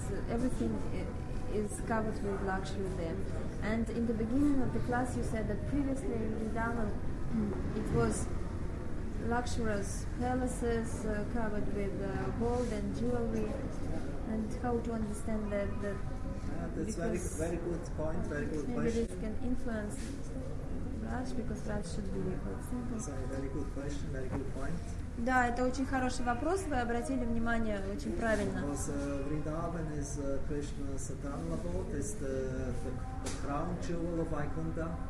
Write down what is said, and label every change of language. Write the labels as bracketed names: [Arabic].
[English] Everything is covered with luxury there. And in the beginning of the class, you said that previously in Vrindavan it was luxurious palaces covered with gold and jewelry. And how to understand that? That's a very good question. This can influence Raj, because Raj should be quite simple. Sorry, very good question, very good point. [Russian] Да, это очень хороший вопрос, вы обратили внимание очень правильно. [English] Vrindavan is Krishna's crown jewel, it's the crown jewel of Vaikuntha.